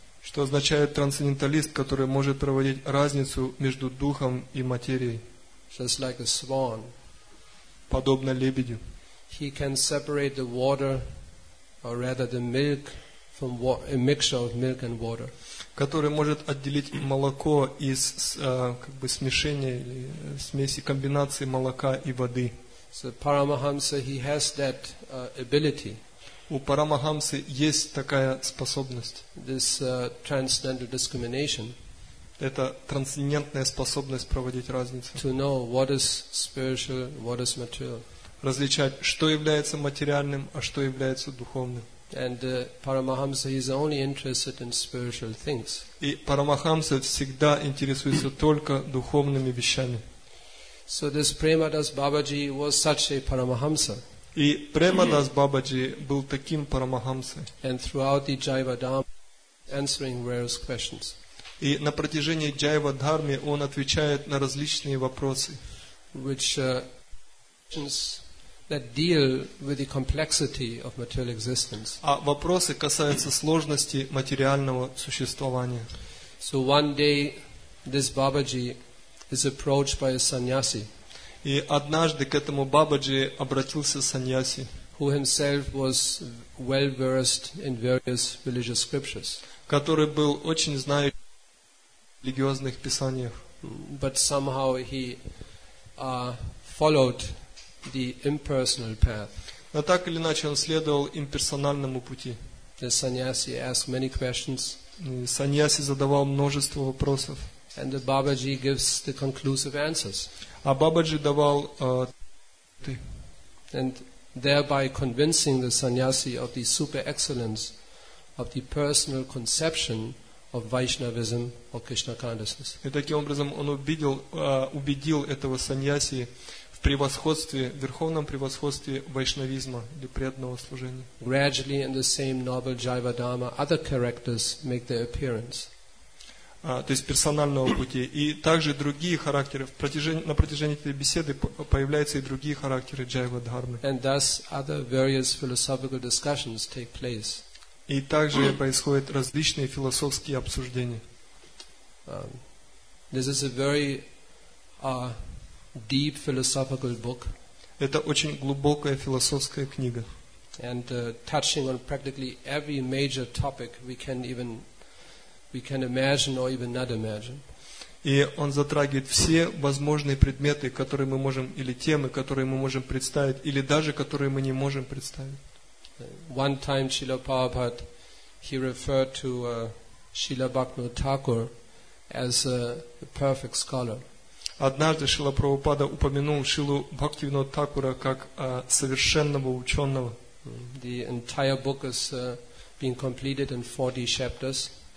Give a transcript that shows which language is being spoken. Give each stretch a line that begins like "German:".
Russian: Что означает трансценденталист, который может проводить разницу между духом и материей.
English: Just like a swan.
Russian: Подобно лебедю.
English: He can separate the water, or rather the milk, from a mixture of milk and water.
Russian: Который может отделить молоко из как бы смешения, смеси, комбинации молока и воды.
English: So Paramahamsa, he has that ability.
Russian: У Парамахамсы есть такая способность.
English: This transcendental discrimination.
Russian: Это трансцендентная способность проводить разницу.
English: To know what is spiritual, what is material.
Russian: Различать, что является материальным, а что является духовным.
English: And Paramahamsa is only interested in spiritual things.
Russian: И Парамахамса всегда интересуется только духовными вещами.
English: So this Premadas Babaji was such a Paramahamsa.
Russian: И Премадас Бабаджи был таким Парамахамсой.
English: And throughout the Jiva Dharma, answering various questions.
Russian: И на протяжении Jiva Dharma он отвечает на различные вопросы.
English: Which questions that deal with the complexity of material existence.
Russian: А вопросы касаются сложности материального существования.
English: So one day this Бабаджи is approached by a sannyasi.
Russian: И однажды к этому Бабаджи обратился саньяси,
English: who himself was well versed in various religious scriptures,
Russian: который был очень знающим в религиозных писаниях,
English: but somehow he followed the impersonal path.
Russian: Но так или иначе он следовал имперсональному пути.
English: The sannyasi asked many questions.
Russian: Саньяси задавал множество вопросов.
English: And the Babaji gives the conclusive answers.
Russian: А Бабаджи давал
English: and thereby convincing the sannyasi of the super excellence of the personal conception of Vaishnavism or Krishna consciousness.
Russian: И таким образом он убедил этого сannyasi в превосходстве, в верховном превосходстве вайшнавизма или преданного служения.
English: Gradually in the same novel Jiva Dharma other characters make their appearance.
Russian: То есть персонального пути. И также другие характеры. На протяжении этой беседы появляются и другие характеры Jiva Dharma.
English: And thus other various philosophical discussions take place.
Russian: И также происходят различные философские обсуждения.
English: This is a very deep philosophical book.
Russian: Это очень глубокая философская книга.
English: and touching on practically every major topic we can imagine or even not imagine.
Russian: И он затрагивает все возможные предметы, которые мы можем, или темы, которые мы можем представить, или даже которые мы не можем представить.
English: One time Srila Prabhupada, he referred to Srila Bhaktivinoda Thakur as a perfect scholar.
Russian: Однажды Шрила Прабхупада упомянул Шрилу Бхактивинода Такура как совершенного ученого.
English: The entire book is being completed in 40 chapters.